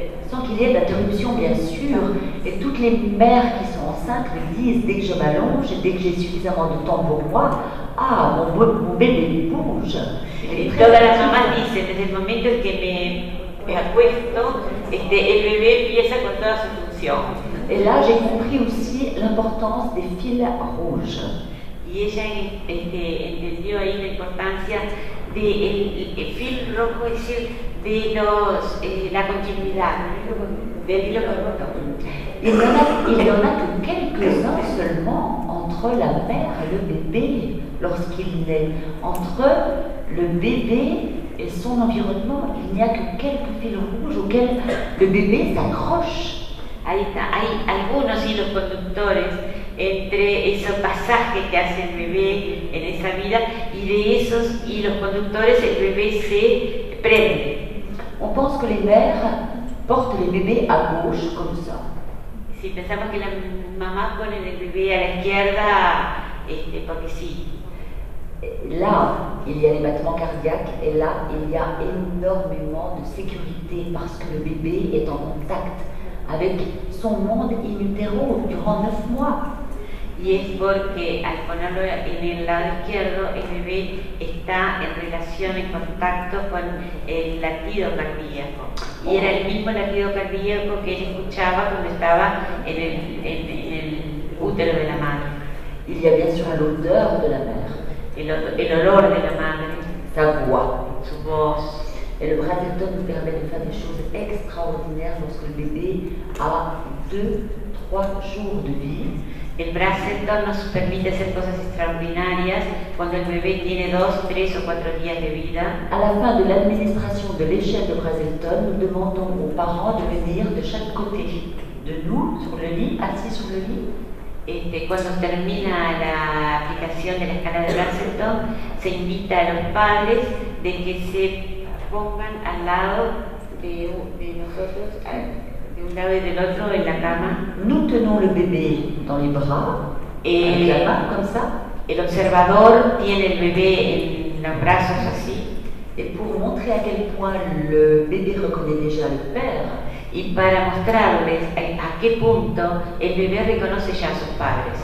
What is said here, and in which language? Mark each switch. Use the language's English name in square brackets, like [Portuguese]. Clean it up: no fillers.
[French] Sans qu'il y ait d'interruption, bien sûr. Et toutes les mères qui sont enceintes disent, dès que je m'allonge et dès que j'ai suffisamment de temps pour moi, ah, mon bébé bouge. [Spanish] Et toda la mamá dice, desde el momento que me acuesto, el bebé empieza con toda su función. [French] Et là, j'ai compris aussi l'importance des fils rouges. [Spanish] Y ella entendió ahí la importancia de el fil rojo, es decir, de los la continuidad del hilo conductor. [French] Il y en a que quelques-uns seulement entre la mère et le bébé lorsqu'il naît. Entre le bébé et son environnement, il n'y a que quelques fils rouges auxquels le bébé s'accroche. [Spanish] Ahí está, hay algunos hilos conductores entre esos pasajes que hace el bebé en esa vida y de esos hilos conductores el bebé se prende. [French] On pense que les mères portent les bébés à gauche comme ça. [Spanish] Si pensamos que la mamá pone el bebé a la izquierda, porque sí. [French] Là, il y a les battements cardiaques et là, il y a énormément de sécurité parce que le bébé est en contact avec son monde in utero durant 9 mois. [Spanish] Y es porque al ponerlo en el lado izquierdo, el bebé está en relación, en contacto con el latido cardíaco. Y era el mismo latido cardíaco que él escuchaba cuando estaba en el útero de la madre. [French] Il y a bien sûr l'odeur de la mère. [Spanish] El olor de la madre. [French] Sa voix. [Spanish] Su voz. [French] Et le Bradenton nous permet de faire des choses extraordinaires lorsque le bébé a 2-3 jours de vie. [Spanish] El Bradenton nos permite hacer cosas extraordinarias cuando el bebé tiene 2, 3 o 4 días de vida. [French] À la fin de l'administration de l'échelle de Bradenton, nous demandons aux parents de venir de chaque côté de nous, sur le lit, assis sur le lit. [Spanish] Cuando termina la aplicación de la escala de Lasseter, se invita a los padres de que se pongan al lado de nosotros, de un lado y del otro en la cama. [French] Nous tenons le bébé dans les bras, la main, comme ça. [Spanish] El observador tiene el bebé en los brazos así. [French] Et pour montrer à quel point le bébé reconnaît déjà le père. [Spanish] Y para mostrarles a qué punto el bebé reconoce ya a sus padres.